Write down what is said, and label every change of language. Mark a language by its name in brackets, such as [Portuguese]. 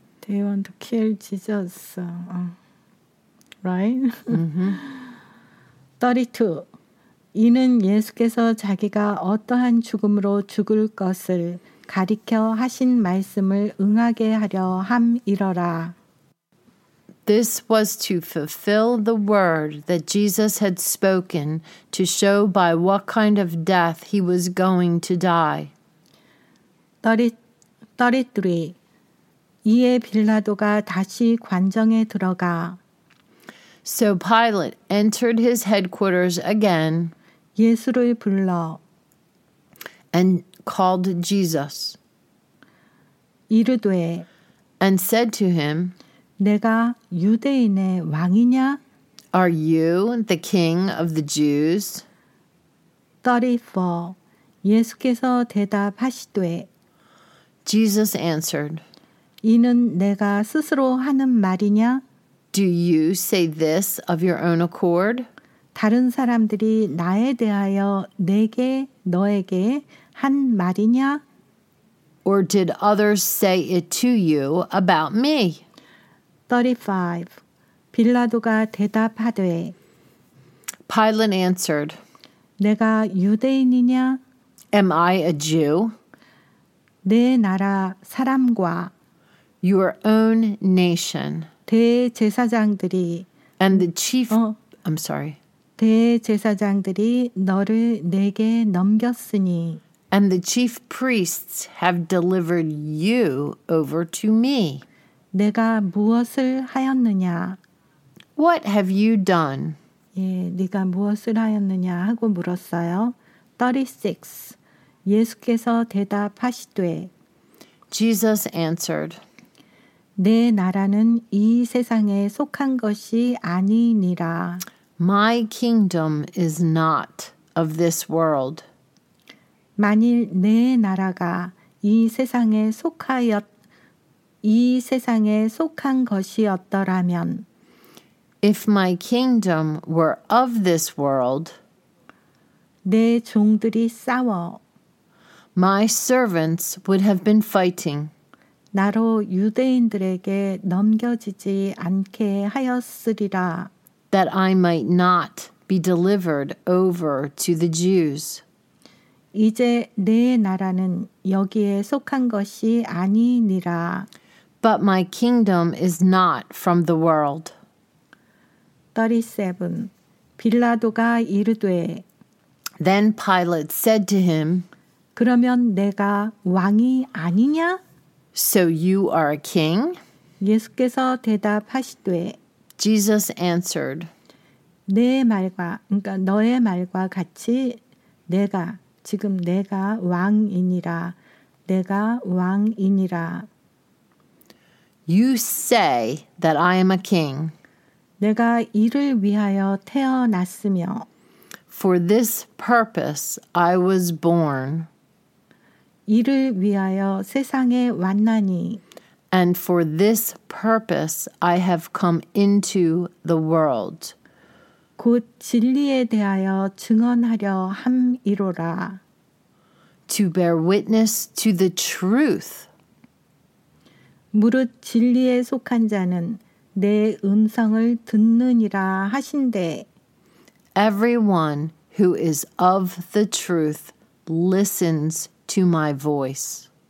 [English] They want to kill Jesus. Right? Mm-hmm. [Korean] 32. 이는 예수께서 자기가 어떠한 죽음으로 죽을 것을 가리켜 하신 말씀을 응하게 하려 함이러라. [English] This was to fulfill the word that Jesus had spoken to show by what kind of death he was going to die. [Korean] 33. 이에 빌라도가 다시 관정에 들어가. [English] So Pilate entered his headquarters again. [Korean] 예수를 불러. [English] And called Jesus. [Korean] 이르되. [English] And said to him. [Korean] 내가 유대인의 왕이냐? [English] Are you the king of the Jews? [Korean] 34. 예수께서 대답하시되. [English] Jesus answered. [Korean] 이는 내가 스스로 하는 말이냐? [English] Do you say this of your own accord? [Korean] 다른 사람들이 나에 대하여 내게 너에게 한 말이냐? [English] Or did others say it to you about me? [Korean] 35. 빌라도가 대답하되. [English] Pilate answered. [Korean] 내가 유대인이냐? [English] Am I a Jew? [Korean] 내 나라 사람과 [English] Your own nation. [Korean] 대제사장들이 [English] And the chief... I'm sorry. [Korean] 대제사장들이 너를 내게 넘겼으니 [English] And the chief priests have delivered you over to me. [Korean] 내가 무엇을 하였느냐? [English] What have you done? [Korean] 예, 네가 무엇을 하였느냐 하고 물었어요. 36. 예수께서 대답하시되 [English] Jesus answered. [Korean] 내 나라는 이 세상에 속한 것이 아니니라. [English] My kingdom is not of this world. [Korean] 만일 내 나라가 이 세상에 속하였 이 세상에 속한 것이었더라면 [English] If my kingdom were of this world [Korean] 내 종들이 싸워 [English] My servants would have been fighting [Korean] 나로 유대인들에게 넘겨지지 않게 하였으리라 [English] That I might not be delivered over to the Jews [Korean] 이제 내 나라는 여기에 속한 것이 아니니라 [English] But my kingdom is not from the world. [Korean] 37. 빌라도가 이르되 [English] Then Pilate said to him, [Korean] 그러면 내가 왕이 아니냐? [English] So you are a king? [Korean] 예수께서 대답하시되 [English] Jesus answered, [Korean] 내 말과, 그러니까 너의 말과 같이 내가, 지금 내가 왕이니라. 내가 왕이니라. [English] You say that I am a king. [Korean] 내가 이를 위하여 태어났으며 [English] For this purpose I was born. [Korean] 이를 위하여 세상에 왔나니 [English] And for this purpose I have come into the world. [Korean] 곧 진리에 대하여 증언하려 함이로라. [English] To bear witness to the truth. [Korean] 무릇 진리에 속한 자는 내 음성을 듣느니라 하신대. [English] Everyone who is of the truth listens to my voice.